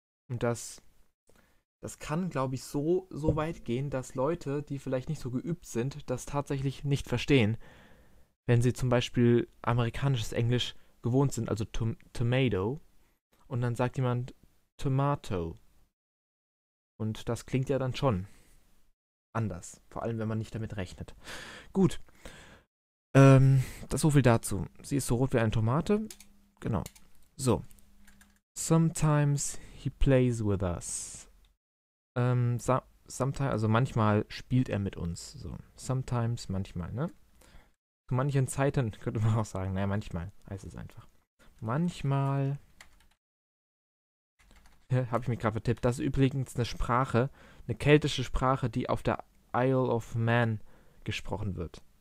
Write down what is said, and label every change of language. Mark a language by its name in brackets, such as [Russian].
[German] Und das kann, glaube ich, so weit gehen, dass Leute, die vielleicht nicht so geübt sind, das tatsächlich nicht verstehen, wenn sie zum Beispiel amerikanisches Englisch gewohnt sind, also Tomato, und dann sagt jemand Tomato. Und das klingt ja dann schon anders, vor allem, wenn man nicht damit rechnet. Gut, das so viel dazu. Sie ist so rot wie eine Tomate. Genau, so. [English] Sometimes he plays with us. [German] Sometimes, also manchmal spielt er mit uns. So. Sometimes, manchmal, ne? Zu manchen Zeiten könnte man auch sagen, naja, manchmal heißt es einfach. Manchmal, habe ich mich gerade vertippt, das ist übrigens eine Sprache, eine keltische Sprache, die auf der Isle of Man gesprochen wird.